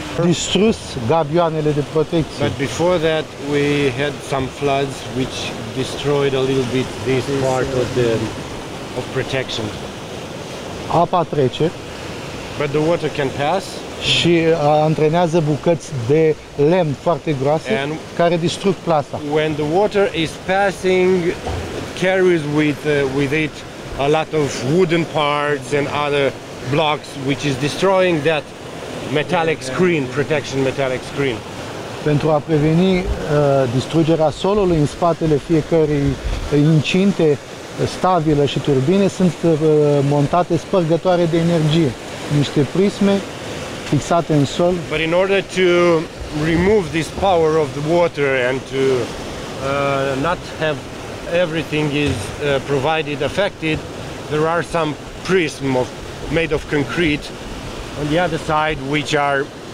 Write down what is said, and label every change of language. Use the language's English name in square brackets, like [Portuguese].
[Romanian] Distrus gabioanele de protecție. [English] But before that we had some floods which destroyed a little bit this part of the of protection. [Romanian] Apa trece. [English] But the water can pass. [Romanian] Și antrenează bucăți de lemn foarte groase care distrug plasa. [English] When the water is passing carries with it a lot of wooden parts and other blocks which is destroying that metallic screen, protection metallic screen. [Romanian] Pentru a preveni distrugerea solului în spatele fiecărei incinte stabilă și turbine sunt montate spărgătoare de energie, niște prisme fixate în sol. [English] But in order to remove this power of the water and to not have everything is provided affected, there are some prisms of made of concrete on the other side which are